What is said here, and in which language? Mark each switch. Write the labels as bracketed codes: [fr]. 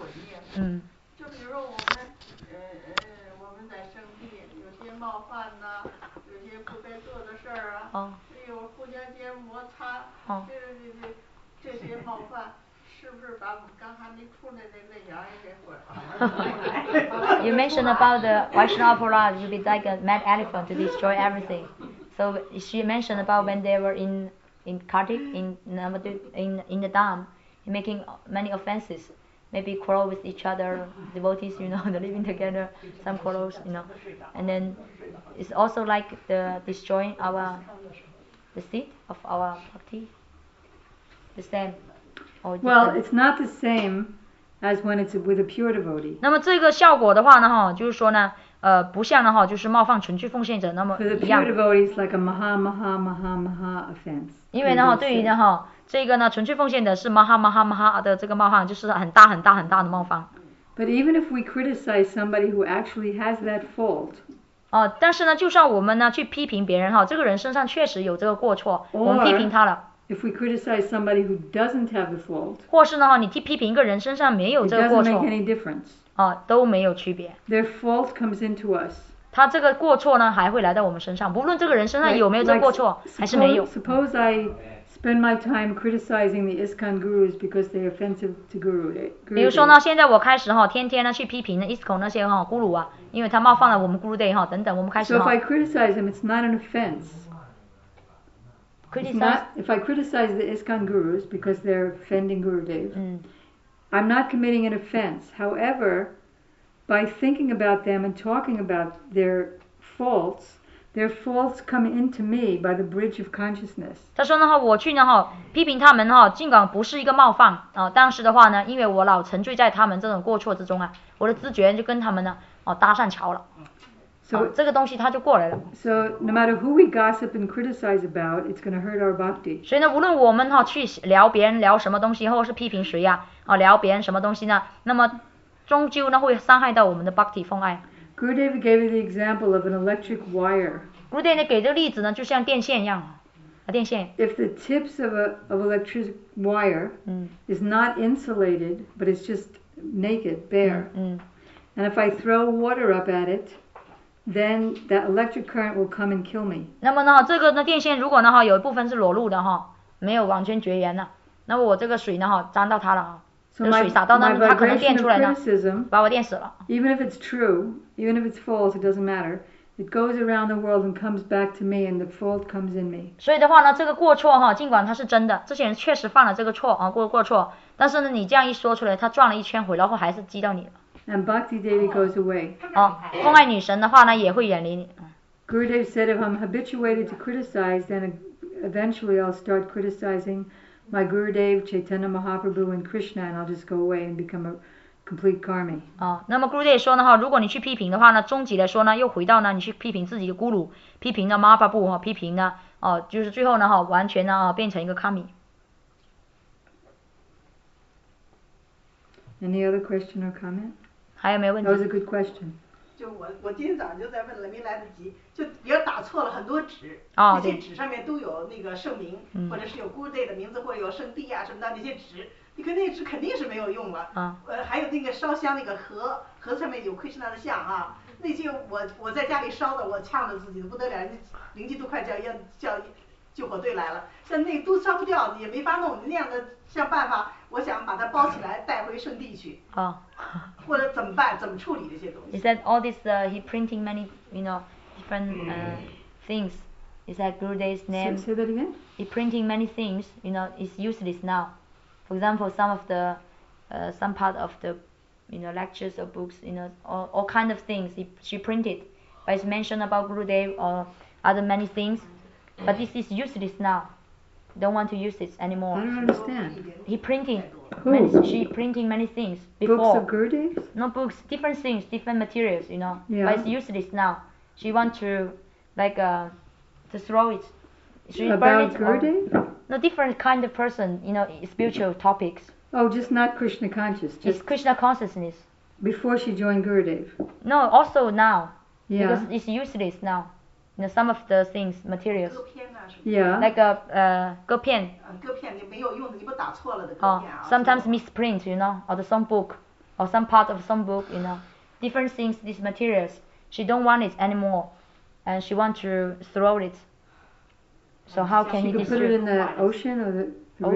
[zh] 就比如说我们在生地有些冒犯呐、有些不该做的事儿啊，有互相间摩擦，这些冒犯，是不是把我们刚才那处的那个羊也给毁了？ [en] You mentioned about the Vaishnava Purana, you be like a mad elephant to destroy everything. So she mentioned about when they were in Kartik in the dam, making many offenses. Maybe quarrel with each other, devotees, you know, they're living together, some quarrels, you know. And then it's also like the destroying the seat of our bhakti, the same. Well, it's not the same as when it's with a pure devotee. [zh] 那么这个效果的话呢，就是说呢，不像呢，就是冒犯纯粹奉献者那么一样。 [en] For the pure devotee, it's like a maha, maha, maha, maha offense. [zh] 因为呢，对于呢，这个呢，纯粹奉献的是玛哈玛哈玛哈的这个冒犯，就是很大很大很大的冒犯。 [en] But even if we criticize somebody who actually has that fault, [zh] 但是呢，就算我们呢去批评别人这个人身上确实有这个过错， [en] or, [zh] 我们批评他了。 [en] If we criticize somebody who doesn't have the fault, [zh] 或是呢你去批评一个人身上没有这个过错， [en] it doesn't make any difference. [zh] 都没有区别。 [en] Their fault comes into us. [zh] 他这个过错呢还会来到我们身上，不论这个人身上有没有这个过错， [en] like, [zh] 还是没有。 [en] Suppose I spend my time criticizing the ISKCON gurus because they're offensive to Guru. [zh] 比如说呢，现在我开始天天呢去批评那 ISKCON 那些guru 啊，因为他冒犯了我们 Guru Day 等等，我们开始。 [en] So if I criticize them, it's not an offense. If I criticize the ISKCON gurus because they're offending Guru Day, I'm not committing an offense. However, by thinking about them and talking about their faults. Their faults come into me by the bridge of consciousness. [zh] 他说呢我去呢批评他们尽管不是一个冒犯但是的话呢，因为我老沉醉在他们这种过错之中我的知觉就跟他们呢搭上桥了。 [en] So, [zh] 这个东西他就过来了。 [en] So no matter who we gossip and criticize about, it's going to hurt our bhakti. [zh] 所以呢，无论我们去聊别人聊什么东西，或是批评谁聊别人什么东西呢，那么终究呢会伤害到我们的 bhakti 风爱。 [en] Gurudev gave you the example of an electric wire. [zh] Gurudev 给的例子呢，就像电线一样，电线。 [en] If the tips of an electric wire is not insulated, but it's just naked, bare, and if I throw water up at it, then that electric current will come and kill me. [zh] 那么呢，这个电线如果呢有一部分是裸露的没有完全绝缘的，那么我这个水呢沾到它了 [en] Even if it's true, even if it's false, it doesn't matter. It goes around the world and comes back to me, and the fault comes in me. [zh] 所以的话呢，这个过错尽管它是真的，这些人确实犯了这个错过错，但是呢，你这样一说出来，它转了一圈回来后还是击到你了。 [en] And Bhakti Devi goes away. [zh] 风爱女神的话呢，也会远离你。 [en] Gurudev said, if I'm habituated to criticize, then eventually I'll start criticizing. My Gurudev, Chaitanya Mahaprabhu, and Krishna, and I'll just go away and become a complete karmi. [zh] 那么 Gurudev 说呢，如果你去批评的话呢，终极来说呢，又回到呢，你去批评自己的 Guru， 批评呢 Mahaprabhu 批评呢，就是最后呢，完全呢，变成一个 karmi. [en] Any other question or comment? [zh] 还有没有问题 [en] That was a good question. [zh] 就我今天早上就在问了，没来得及，就别打错了很多纸，那些纸上面都有那个圣名，或者是有 good day 的名字，或者有圣地啊什么的那些纸，你看那纸肯定是没有用了。还有那个烧香那个盒，盒上面有 Krishna 的像啊。那些我在家里烧的，我呛着自己的不得了，人家邻居都快叫救火队来了，像那都烧不掉，也没法弄，那样的像办法，我想把它包起来带回圣地去。啊。或者怎么办？怎么处理这些东西 [en] ？He said all this, he printing many, you know, different things. He said Guru Day's name. Say that again. He printing many things, you know, is useless now. For example, some of the, some part of the. You know, lectures or books, you know, all kind of things she printed. But it's mentioned about Gurudev or other many things. But this is useless now. Don't want to use this anymore. I don't understand. He printing. Many, she printing many things before. Books of Gurudev's? No books, different things, different materials, you know. Yeah. But it's useless now. She want to, like, to throw it. She about Gurudev? No, different kind of person, you know, spiritual topics. Oh, just not Krishna conscious. Just it's Krishna consciousness. Before she joined Gurudev. No, also now. Yeah. Because it's useless now. You know, some of the things, materials. Yeah. Like a, 歌片。 [zh] 歌片你没有用的，你不打错了的歌片啊。 [en] Sometimes misprint, you know, or the song book, or some part of some book, you know. Different things, these materials. She don't want it anymore. And she want to throw it. So how can he destroy it? She could put it in the ocean or the river?